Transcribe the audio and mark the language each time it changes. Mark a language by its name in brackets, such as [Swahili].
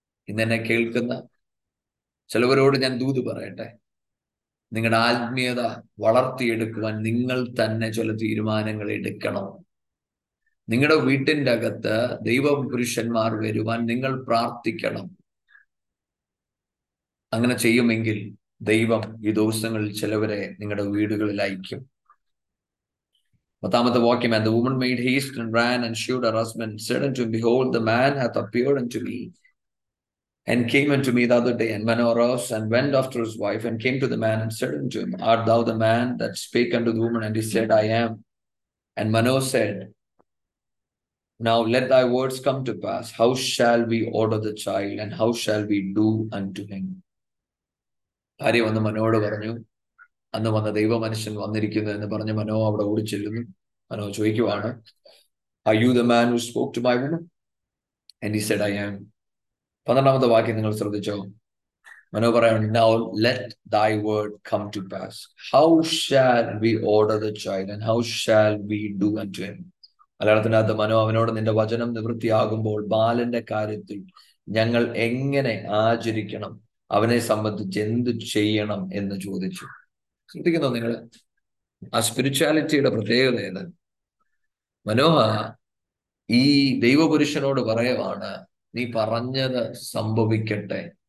[Malayalam] ഇന്നെന്നെ കേൾക്കുന്ന ചിലവരോട് ഞാൻ ദൂത് പറയട്ടെ, നിങ്ങളുടെ ആത്മീയത വളർത്തിയെടുക്കുവാൻ നിങ്ങൾ തന്നെ ചില തീരുമാനങ്ങൾ എടുക്കണം. നിങ്ങളുടെ വീട്ടിൻ്റെ അകത്ത് ദൈവപുരുഷന്മാർ വരുവാൻ നിങ്ങൾ പ്രാർത്ഥിക്കണം. അങ്ങനെ ചെയ്യുമെങ്കിൽ ദൈവം ഈ ദിവസങ്ങളിൽ ചിലവരെ നിങ്ങളുടെ വീടുകളിൽ അയക്കും. [English] 10th വാക്യം, the woman made haste and ran and showed her husband, said unto him, behold, the man hath appeared unto me and came unto me the other day. And Manoah arose and went after his wife and came to the man and said unto him, art thou the man that spake unto the woman? And he said, I am. And Manoah said, Now let thy words come to pass. How shall we order the child and how shall we do unto him? [Malayalam] ഭാര്യ വന്ന് മനോട് പറഞ്ഞു, അന്ന് വന്ന ദൈവമനുഷ്യൻ വന്നിരിക്കുന്നു എന്ന് പറഞ്ഞ് മനോ അവിടെ ഓടി ചെല്ലുന്നു. മനോ ചോദിക്കുവാണ്, [English] Are you the man who spoke to my woman? And he said, I am. [Malayalam] 12th വാക്യം നിങ്ങൾ ശ്രദ്ധിച്ചോ. മനോ പറയാണ്, [English] Now let thy word come to pass. How shall we order the child and how shall we do unto him? [Malayalam] മലയാളത്തിനകത്ത് മനോ അവനോട്, നിന്റെ വചനം നിവൃത്തിയാകുമ്പോൾ ബാലന്റെ കാര്യത്തിൽ ഞങ്ങൾ എങ്ങനെ ആചരിക്കണം, അവനെ സംബന്ധിച്ച് എന്ത് ചെയ്യണം എന്ന് ചോദിച്ചു. ശ്രദ്ധിക്കുന്നു നിങ്ങൾ ആ സ്പിരിച്വാലിറ്റിയുടെ പ്രത്യേകത ഏത്? മനോഹ ഈ ദൈവപുരുഷനോട് പറയുവാണ്, നീ പറഞ്ഞത് സംഭവിക്കട്ടെ.